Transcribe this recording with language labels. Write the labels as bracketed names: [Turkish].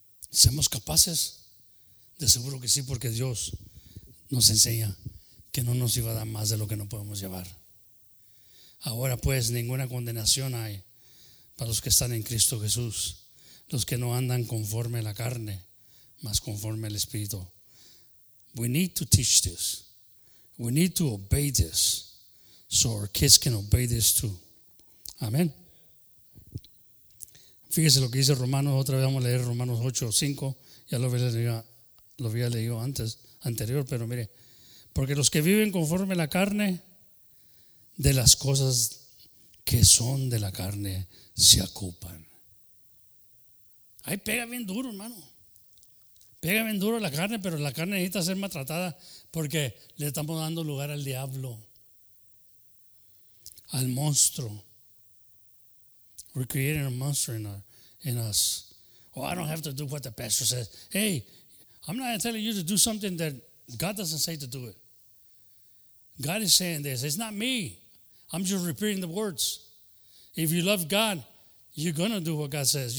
[Spanish] ¿Seamos capaces? De seguro que sí, porque Dios nos enseña que no nos iba a dar más de lo que no podemos llevar. Ahora pues, ninguna condenación hay para los que están en Cristo Jesús, los que no andan conforme a la carne, mas conforme al Espíritu. [English] We need to teach this. We need to obey this so our kids can obey this too. [Spanish] Amén. Fíjese lo que dice Romanos, otra vez vamos a leer Romanos 8:5. Ya lo había leído antes, anterior, pero mire. Porque los que viven conforme a la carne, de las cosas que son de la carne se ocupan. Ahí pega bien duro, hermano. Pega bien duro la carne, pero la carne necesita ser maltratada porque le estamos dando lugar al diablo, al monstruo. [English] We're creating a monster in us. Oh, I don't have to do what the pastor says. Hey, I'm not telling you to do something that God doesn't say to do it. God is saying this. It's not me. I'm just repeating the words. If you love God, you're going to do what God says.